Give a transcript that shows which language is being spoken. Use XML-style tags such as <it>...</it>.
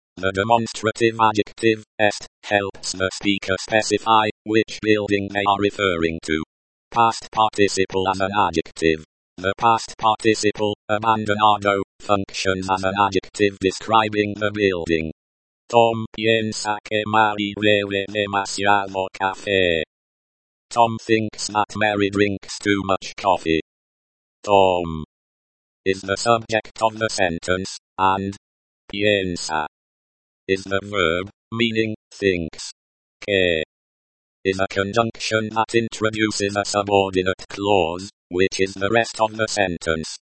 <en>The demonstrative adjective, est, helps the speaker specify which building they are referring to. Past participle as an adjective. The past participle, abandonado, functions as an adjective describing the building.</en> <es>Tom piensa que Mary bebe demasiado café.</es> <en>Tom thinks that Mary drinks too much coffee. Tom is the subject of the sentence, and piensa is the verb, meaning, thinks. Que is a conjunction that introduces a subordinate clause, which is the rest of the sentence.</en>